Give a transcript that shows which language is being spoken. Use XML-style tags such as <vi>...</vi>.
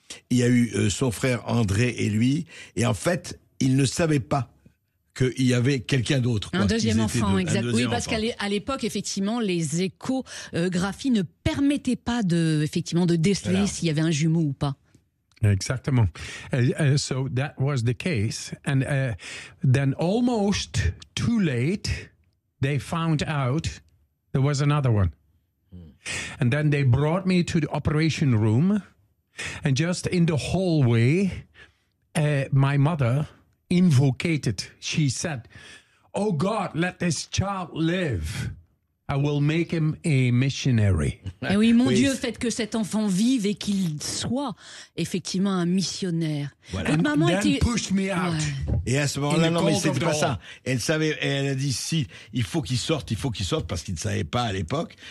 <fr>Il y a eu son frère André et lui. Et en fait, il ne savait pas qu'il y avait quelqu'un d'autre. Un deuxième enfant, parce qu'à l'époque, effectivement, les échographies ne permettaient pas effectivement, de déceler s'il y avait un jumeau ou pas. Exactement.</fr> <en>So that was the case. And then almost too late, they found out there was another one. And then they brought me to the operation room. And just in the hallway, my mother invocated. She said, "Oh God, let this child live. I will make him a missionary."</en> <fr>Eh oui, mon Dieu, faites que cet enfant vive et qu'il soit effectivement un missionnaire. Voilà. Maman était...</fr> <en>pushed me out.</en> <fr>Et à ce moment-là, non, mais c'était pas ça. Elle savait, elle a dit, si, il faut qu'il sorte, il faut qu'il sorte, parce qu'il ne savait pas à l'époque.</fr>